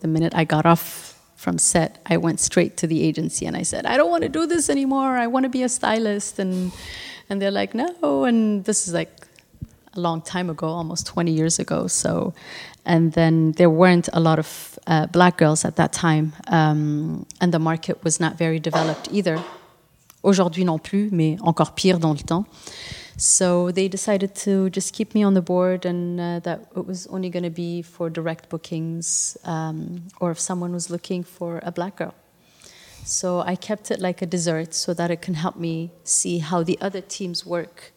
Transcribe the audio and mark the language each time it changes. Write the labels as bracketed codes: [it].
[en] The minute I got off from set, I went straight to the agency and I said, I don't want to do this anymore. I want to be a stylist. And they're like, no. And this is like a long time ago, almost 20 years ago. So, and then there weren't a lot of black girls at that time. And the market was not very developed either. [fr] Aujourd'hui non plus, mais encore pire dans le temps. [en] So they decided to just keep me on the board and that it was only going to be for direct bookings or if someone was looking for a black girl. So I kept it like a dessert so that it can help me see how the other teams work.